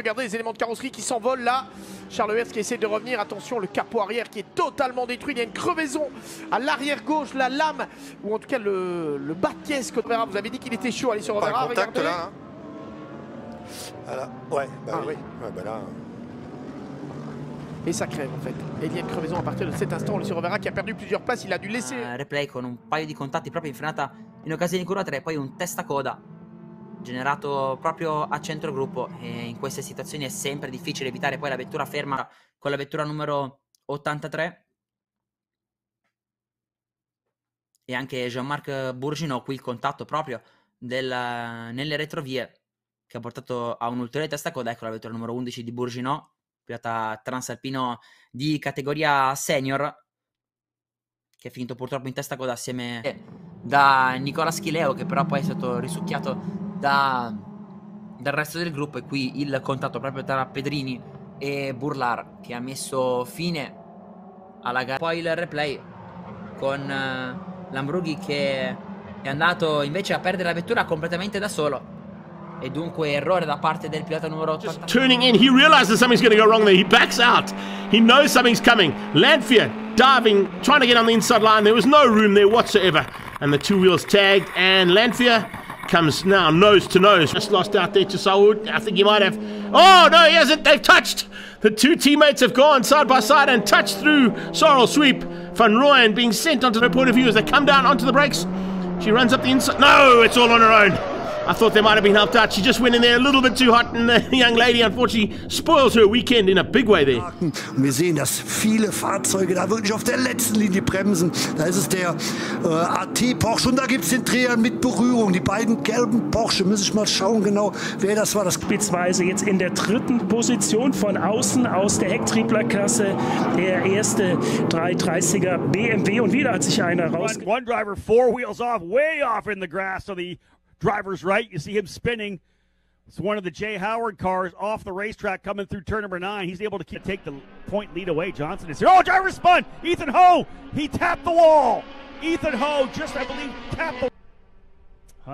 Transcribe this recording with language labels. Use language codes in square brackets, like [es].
[fr] Regardez les éléments de carrosserie qui s'envolent là. Charles Wirth qui essaie de revenir, attention le capot arrière qui est totalement détruit. Il y a une crevaison à l'arrière gauche, la lame, ou en tout cas le bas de caisse que Overa. Vous avez dit qu'il était chaud, allez sur Overa, regardez. Pas contact là. Hein. Voilà. Ouais, bah ah, oui. Ouais, bah là. Et ça crève en fait. Et il y a une crevaison à partir de cet instant, le Overa qui a perdu plusieurs places, il a dû laisser. [it] Replay con un paio di contatti proprio in frenata. In occasione di curva 3, poi un testa coda generato proprio a centro gruppo. E in queste situazioni è sempre difficile evitare poi la vettura ferma con la vettura numero 83. E anche Jean-Marc Bourgineau qui il contatto proprio nelle retrovie che ha portato a un ulteriore testa coda. Ecco la vettura numero 11 di Bourgineau, pilota transalpino di categoria senior, che è finito purtroppo in testa coda assieme da Nicola Schileo, che però poi è stato risucchiato dal resto del gruppo. E qui il contatto proprio tra Pedrini e Burlar, che ha messo fine alla gara. Poi il replay con Lambrughi, che è andato invece a perdere la vettura completamente da solo. E dunque errore da parte del pilota numero 8. [en] Just turning in, he realizes something's going to go wrong there. He backs out. He knows something's coming. Lanfear diving, trying to get on the inside line. There was no room there whatsoever. And the two wheels tagged. And Lanfear comes now nose to nose. Just lost out there to Saud. I think he might have. Oh, no, he hasn't. They've touched. The two teammates have gone side by side and touched through Sorrel Sweep. Van Rooyen being sent onto the point of view as they come down onto the brakes. She runs up the inside. No, it's all on her own. I thought they might have been helped out. She just went in there a little bit too hot, and the young lady unfortunately spoils her weekend in a big way there. [de] Wir sehen, dass viele Fahrzeuge da wirklich auf der letzten Linie bremsen. Da ist es der AT Porsche, und da gibt's den Dreher mit Berührung. Die beiden gelben Porsche, muss ich mal schauen genau, wer das war. Das beispielsweise jetzt in der dritten Position von außen aus der Hecktrieblerklasse der erste 330er BMW, und wieder hat sich einer raus. [en] One driver four wheels off, way off in the grass on the driver's right. You see him spinning. It's one of the Jay Howard cars off the racetrack coming through turn number 9. He's able to take the point lead away. Johnson is here. Oh, driver spun. Ethan Ho. He tapped the wall. Ethan Ho just, I believe, tapped the wall.